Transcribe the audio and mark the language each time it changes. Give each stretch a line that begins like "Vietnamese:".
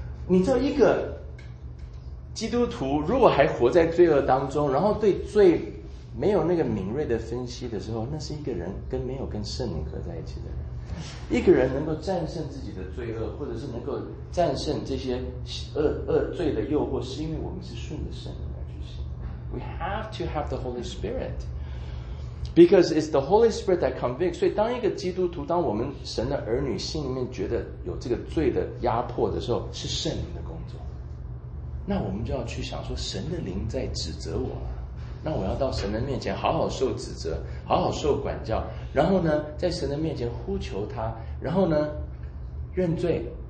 Chinese: 你知道一个基督徒如果还活在罪恶当中，然后对罪没有那个敏锐的分析的时候，那是一个人跟没有跟圣灵合在一起的人。一个人能够战胜自己的罪恶，或者是能够战胜这些恶罪的诱惑，是因为我们是顺着圣灵而去行。
English: We have to have the Holy Spirit because it's the Holy Spirit that convicts.
Chinese: 所以当一个基督徒，当我们神的儿女心里面觉得有这个罪的压迫的时候，是圣灵的工作，那我们就要去想说，神的灵在指责我，那我要到神的面前好好受指责，好好受管教，然后呢在神的面前呼求他，然后呢认罪，